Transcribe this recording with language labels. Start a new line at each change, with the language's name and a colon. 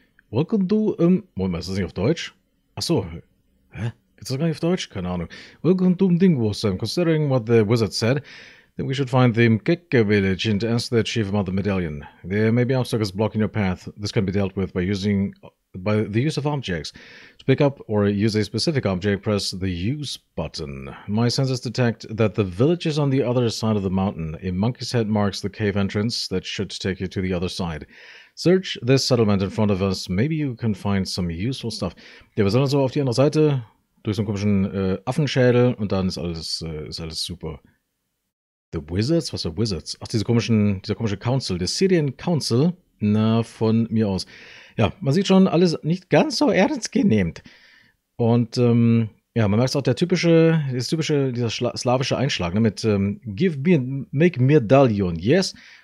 English: Welcome to,
German: Moment mal, ist das nicht auf Deutsch? Achso. Hä? Ist das gar nicht auf Deutsch? Keine Ahnung.
English: Welcome to Dingwo, Sam. Considering what the wizard said, then we should find the Mkeke village and ask the chief about the medallion. There may be obstacles blocking your path. This can be dealt with by the use of objects. To pick up or use a specific object, press the use button. My senses detect that the village is on the other side of the mountain. A monkey's head marks the cave entrance that should take you to the other side. Search this settlement in front of us. Maybe you can find some useful stuff.
German: Ja, wir sind also auf die andere Seite durch so einen komischen Affenschädel und dann ist alles super.
English: The Wizards?
German: Was für Wizards? Ach, dieser komische Council, der Syrian Council. Na, von mir aus. Ja, man sieht schon, alles nicht ganz so ernst genehmt. Und ja, man merkt auch dieser slawische Einschlag, ne, mit
English: make medallion, yes.